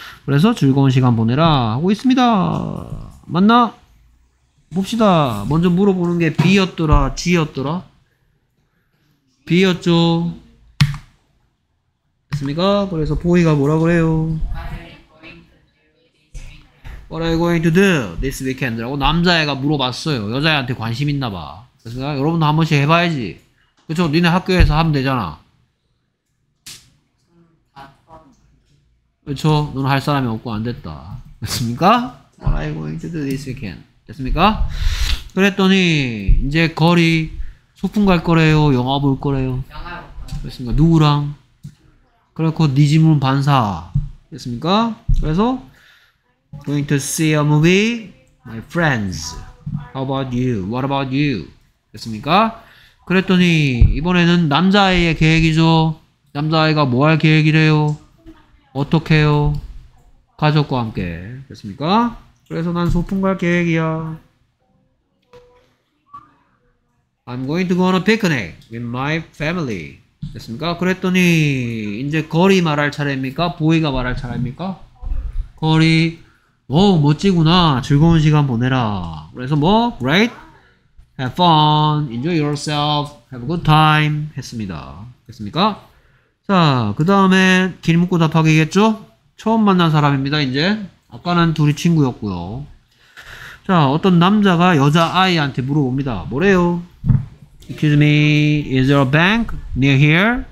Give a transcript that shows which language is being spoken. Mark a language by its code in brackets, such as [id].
[ko] 그래서 즐거운 시간 보내라 하고 있습니다. 맞나? 봅시다. 먼저 물어보는 게 B였더라? G였더라? B였죠. 됐습니까? 그래서 보이가 뭐라 그래요? [en] What are you going to do this weekend? [ko] 라고 남자애가 물어봤어요. 여자애한테 관심 있나 봐. 됐습니까? 여러분도 한 번씩 해봐야지. 그쵸? 니네 학교에서 하면 되잖아. 그렇죠. 너는 할 사람이 없고 안 됐다. 됐습니까? [en] What are you going to do this weekend? [ko] 됐습니까? 그랬더니 이제 거리 소풍 갈 거래요. 영화 볼 거래요. 영화 볼 거래요. 됐습니까? 누구랑? 그렇고 네 질문 반사. 됐습니까? [en] 그래서 going to see a movie, my friends. How about you? What about you? [ko] 됐습니까? 그랬더니 이번에는 남자아이의 계획이죠. 남자아이가 뭐 할 계획이래요? 어떡해요? 가족과 함께. 됐습니까? 그래서 난 소풍 갈 계획이야. [en] I'm going to go on a picnic with my family. [ko] 됐습니까? 그랬더니 이제 거리 말할 차례입니까? 보이가 말할 차례입니까? 거리, 오 멋지구나. 즐거운 시간 보내라. 그래서 뭐? [en] Great. Have fun. Enjoy yourself. Have a good time. [ko] 했습니다. 됐습니까? 자, 그 다음에 길 묻고 답하기겠죠? 처음 만난 사람입니다. 이제 아까는 둘이 친구였고요. 자, 어떤 남자가 여자 아이한테 물어봅니다. 뭐래요? [en] Excuse me, is there a bank near here?